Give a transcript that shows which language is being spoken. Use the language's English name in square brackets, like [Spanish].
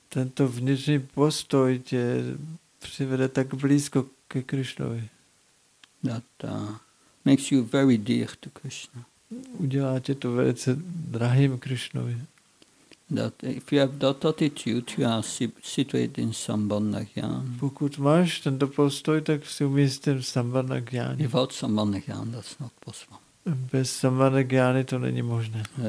[Czech] Tento vnitřní postoj tě přivede tak blízko ke Krishnovi. [English] That makes you very dear to Krishna. [Czech] Udělá tě to velice drahým Krishnovi. [English] That if you have that attitude, you are situated in sambandha gyan. [Czech] Pokud máš tento postoj, tak si umístím sambandha gyan. [English] Without sambandha gyan, that's not possible. [Czech] Bez sambandha gyány to není možné.